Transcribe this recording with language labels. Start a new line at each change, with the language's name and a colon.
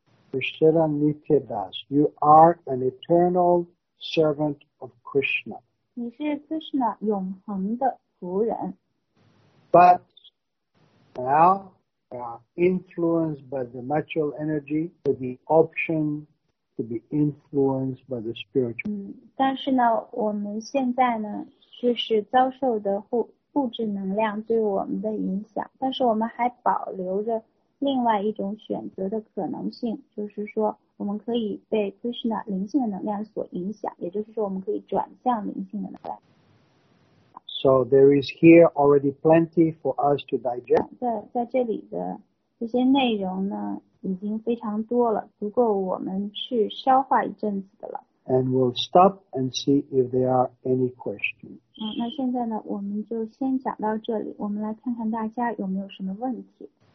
English: Krishna Nityadas, you are an eternal servant of Krishna.
Chinese: 你是 Krishna 永恒的仆人。
English: But now we are influenced by the material energy with the option to be influenced by the spiritual.
Chinese: 但是呢，我们现在呢，就是遭受的物质能量对我们的影响，但是我们还保留着。另外一种选择的可能性，就是说我们可以被 Krishna 灵性的能量所影响，也就是说我们可以转向灵性的能量。
English: So there is here already plenty for us to digest.
Chinese: 在这里的这些内容呢，已经非常多了，足够我们去消化一阵子的了。
English: And we'll stop and see if there are any questions.
Chinese: 那现在呢，我们就先讲到这里，我们来看看大家有没有什么问题。